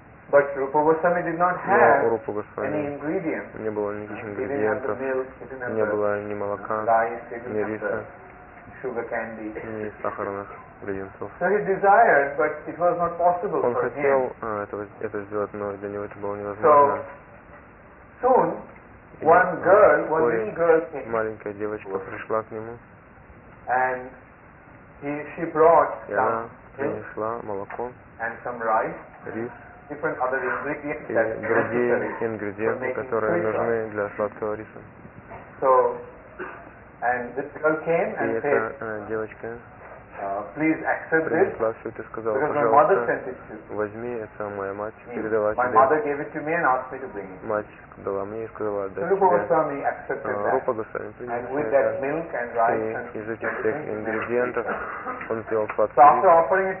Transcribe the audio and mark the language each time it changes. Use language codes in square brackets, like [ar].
[en] But Rupa Goswami did not have any ingredients. [ru] Не было никаких ингредиентов. Не было ни молока, ни риса, ни сахарных ингредиентов. [en] So he desired, but it was not possible for him. [ru] Он хотел это сделать, но для него это было невозможно. [en] So soon, one girl, one little girl came. [ru] Маленькая девочка пришла к нему. [en] And she brought some milk. [ru] Принесла молоко. [en] And some rice. [ru] Рис. Другие ингредиенты, которые нужны для сладкого риса. [en] So, and this girl came and [ru] и эта девочка принесла все это и сказала, пожалуйста, возьми это, моя мать передала тебе. Мать дала мне и сказала, отдай тебе. Рупа Госвами принесла это. И из этих всех ингредиентов он сделал сладкий рис.